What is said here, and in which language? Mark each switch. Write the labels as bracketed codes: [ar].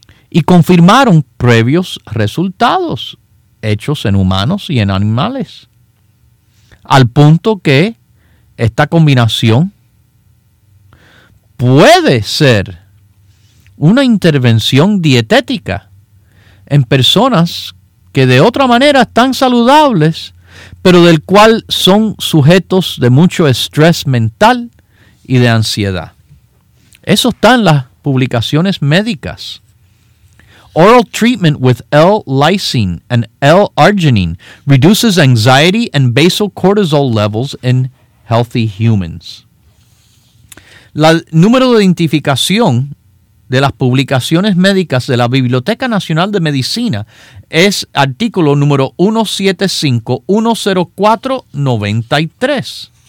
[es] Y confirmaron previos resultados hechos en humanos y en animales, al punto que esta combinación puede ser una intervención dietética en personas que de otra manera están saludables, pero del cual son sujetos de mucho estrés mental y de ansiedad. Eso está en las publicaciones médicas. [en] Oral treatment with L-lysine and L-arginine reduces anxiety and basal cortisol levels in healthy humans. [es] La número de identificación de las publicaciones médicas de la Biblioteca Nacional de Medicina es artículo número 175-104-93.